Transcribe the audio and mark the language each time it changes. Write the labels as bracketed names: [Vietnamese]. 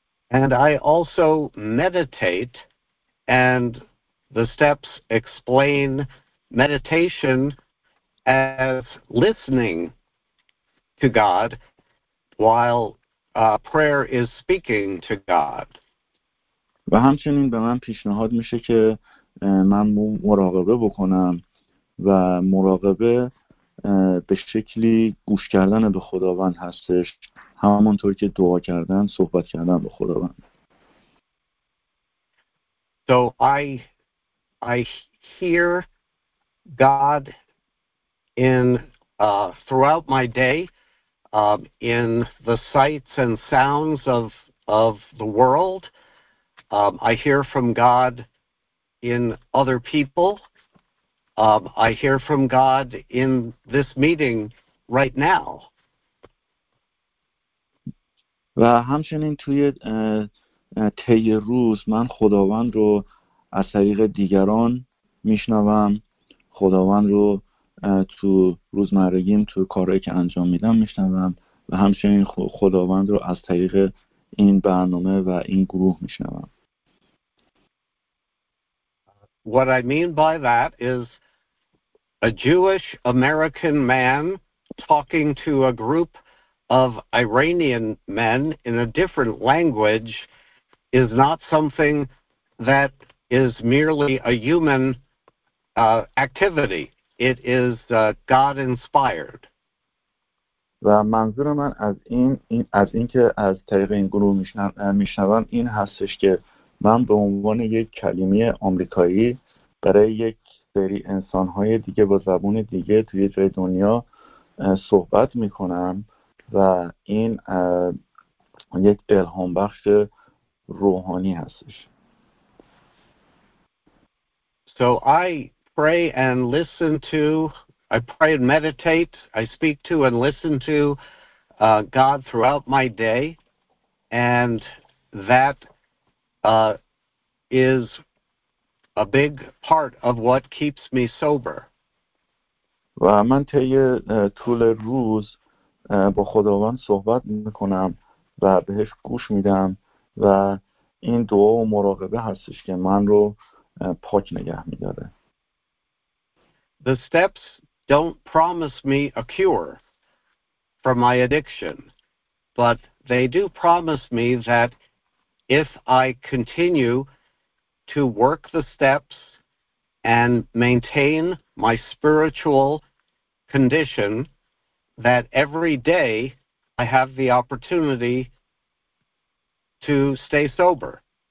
[English] And I also meditate, and the steps explain meditation as listening to God while prayer is speaking to God. [Persian] و همچنین به من پیشنهاد میشه که من مراقبه بکنم و مراقبه به شکلی گوش کردن به خداوند هستش، همونطور که دعا کردن، صحبت کردن به خداوند. [English] So I hear God in throughout my day in the sights and sounds of the world. I hear from God in other people. I hear from God in this meeting right now. [Persian] و همچنین توی طی روز من خداوند رو از طریق دیگران میشنوم، خداوند رو تو روزمرگیم، تو کارهایی که انجام میدم میشنوم، و همچنین خداوند رو از طریق این برنامه و این گروه میشنوم. [English] What I mean by that is a Jewish American man talking to a group of Iranian men in a different language is not something that is merely a human activity. It is God inspired. [Persian] و منظور من از این از اینکه از طریق این گروه میشنوم این هستش که من به عنوان یک کلمه آمریکایی برای یک سری انسان‌های دیگه با زبان دیگه توی جای دنیا صحبت می‌کنم و این یک الهام بخش روحانی هستش. [English] So I pray and listen to, I pray and meditate, I speak to and listen to God throughout my day, and that is a big part of what keeps me sober. [Persian] و من طی طول روز با خداوند صحبت میکنم و بهش گوش میدم و این دعا و مراقبه هستش که من رو پاک نگه میداره. [English] The steps don't promise me a cure from my addiction, but they do promise me that if I continue to work the steps and maintain my spiritual condition, that every day I have the opportunity to stay sober.